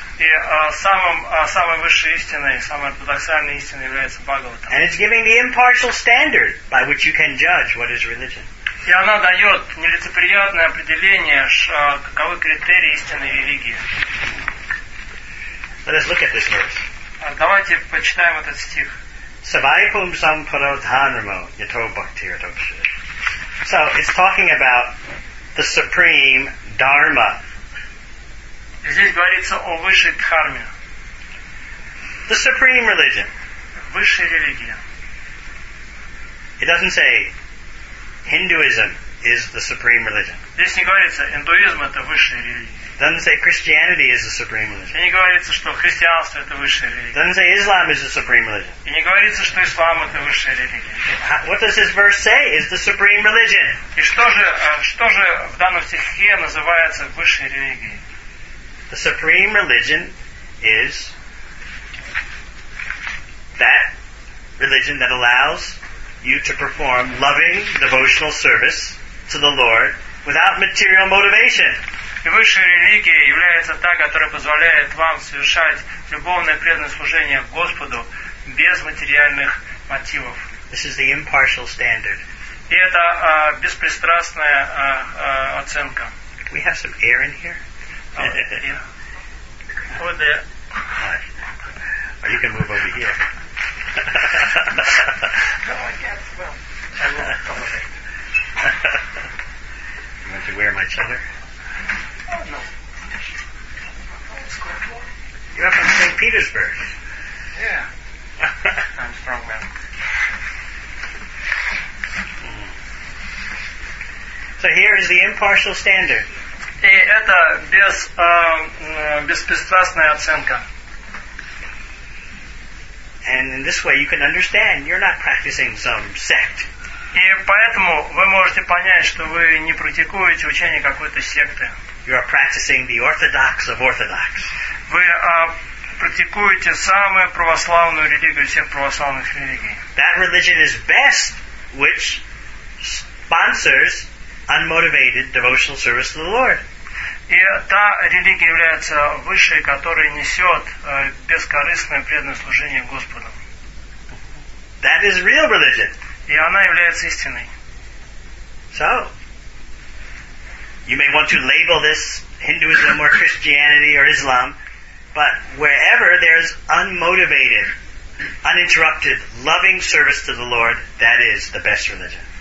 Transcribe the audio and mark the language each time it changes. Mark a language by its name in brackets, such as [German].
[Russian] И самой высшей истиной, самой ортодоксальной истиной является Бхагаватам. [English] And it's giving the impartial standard by which you can judge what is religion. [Russian] И она дает нелицеприятное определение, каковы критерии истинной религии. [English] Let us look at this verse. [Russian] Давайте почитаем этот стих. Savaipum sampara dhanramo yato bhakti yatokshir. [English] So it's talking about the supreme dharma. [Russian] Здесь говорится о высшей дхарме. [English] The supreme religion. [Russian] Высшая религия. [English] It doesn't say Hinduism is the supreme religion. [Russian] Здесь не говорится, индуизм это высшая религия. [English] It doesn't say Christianity is the supreme religion. [Russian] И не говорится, что христианство это высшая религия. [English] It doesn't say Islam is the supreme religion. [Russian] И не говорится, что ислам это высшая религия. [English] What does this verse say is the supreme religion? [Russian] И что же в данном стихе называется высшей религией? [English] The supreme religion is that religion that allows you to perform loving devotional service to the Lord without material motivation. [Russian] И высшая религия является та, которая позволяет вам совершать любовное преданное служение Господу без материальных мотивов. [English] This is the impartial standard. [Russian] И это беспристрастная оценка. [English] We have some air in here. Yeah. Over there. Right. Or you can move over here. No, I can't smell. I will accommodate. You want to wear my cheddar? Oh, no. You're from St. Petersburg. Yeah. I'm strong, man. So here is the impartial standard. [Russian] И это беспристрастная оценка. [English] And in this way you can understand you're not practicing some sect. [Russian] И поэтому вы можете понять, что вы не практикуете учение какой-то секты. [English] You are practicing the orthodox of orthodox. [Russian] Вы практикуете самую православную религию всех православных религий. [English] That religion is best which sponsors unmotivated devotional service to the Lord. [Russian] И та религия является высшей, которая несет бескорыстное преданное служение Господу. [English] That is real religion. [Russian] И она является истиной. [English] So, you may want to label this Hinduism or Christianity or Islam, but wherever there's unmotivated, uninterrupted, loving service to the Lord, that is the best religion.